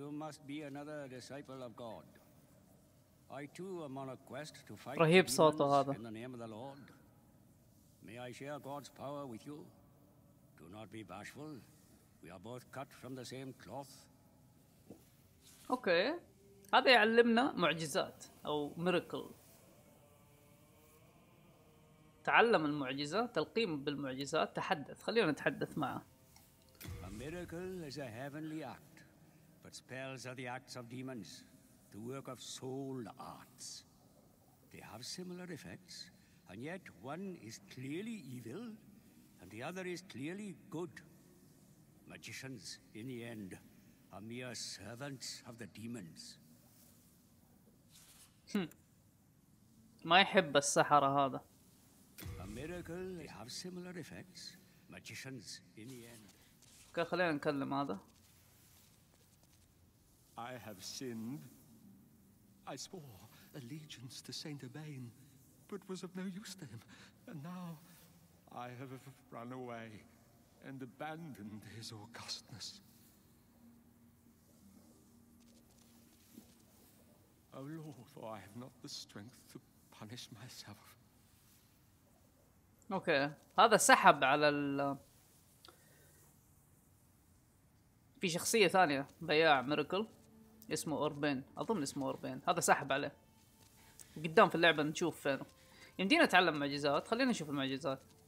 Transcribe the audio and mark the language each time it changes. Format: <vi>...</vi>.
<en>must be another disciple of God. I too am on a quest to fight</en> <ar>رهيب صوته هذا.</ar> <en>In the name of the Lord. May I share God's power with you? Do not be bashful. We are both cut from the same cloth. Okay.</en> <ar>هذا يعلمنا معجزات أو miracle. تعلم المعجزة، تلقيم بالمعجزات، تحدث. خلينا نتحدث معه.</ar> <en>A miracle is a heavenly act, but spells are the acts of demons, the work of soul arts. They have similar effects, and yet one is clearly evil, and the other is clearly good. Magicians, in the end, are mere servants of the demons.</en> <ar>ما يحب السحرة هذا.</ar> <en>A miracle, they have similar effects. Magicians, in the end.</en> <ar>Okay, خلينا نكلم هذا.</ar> <en>I have sinned. I swore allegiance to Saint Urbain, but was of no use to him. And now, I have run away and abandoned his augustness. Oh Lord, for I have not the strength to punish myself.</en> <ar>اوكي هذا سحب على ال في شخصيه ثانيه بياع ميركل اسمه أوربين اظن اسمه أوربين هذا سحب عليه قدام في اللعبه نشوف فين يمدينا نتعلم معجزات خلينا نشوف المعجزات</ar>